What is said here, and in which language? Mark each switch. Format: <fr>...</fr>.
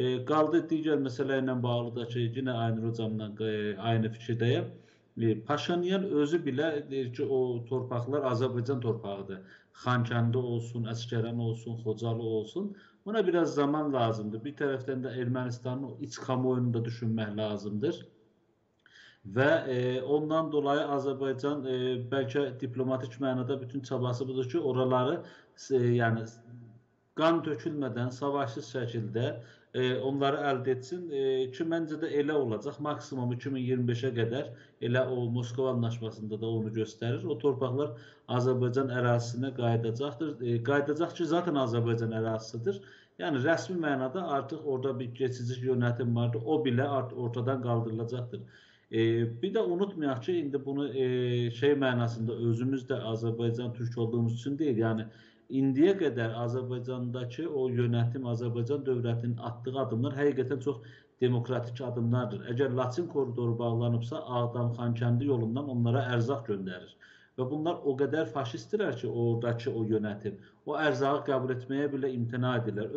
<tr>Qaldı digər meseleyle bağlı da ki, yine aynı hocamla aynı fikirdeyim.</tr> <az>Paşinyan özü bile deyir ki, o torpaqlar Azərbaycan torpağıdır. Xankəndi olsun, Əsgəran olsun, Xocalı olsun. Buna biraz zaman lazımdır. Bir taraftan da Ermənistanın iç kamuoyunu da düşünmək lazımdır. Ve ondan dolayı Azerbaycan belki diplomatik mənada bütün çabası budur ki, oraları yani qan dökülmədən, savaşsız şəkildə onları əldə etsin. Ki, məncə də elə olacaq. Maksimum 2025-ə qədər elə o Moskova anlaşmasında da onu göstərir. O torpaqlar Azerbaycan ərazisinə qayıdacaqdır. Qayıdacaq ki, zaten Azerbaycan ərazisidir. Yani rəsmi mənada artık orada bir geçici yönetim vardır. O bilə ortadan qaldırılacaqdır. Bir de unutmayaq ki, indi bunu şey mənasında özümüz de</az> <tr>Azerbaycan Türk olduğumuz için değil.</tr> <az>Yani indiyə qədər Azerbaycandakı o yönetim, Azerbaycan dövlətinin attığı adımlar həqiqətən çox demokratik adımlardır. Əgər Laçın koridoru bağlanıbsa, Ağdam Xankəndi yolundan onlara ərzaq göndərir. Və bunlar o qədər faşistdirlər ki, oradakı o yönetim, o ərzağı qəbul etməyə bilə imtina edirlər.</az>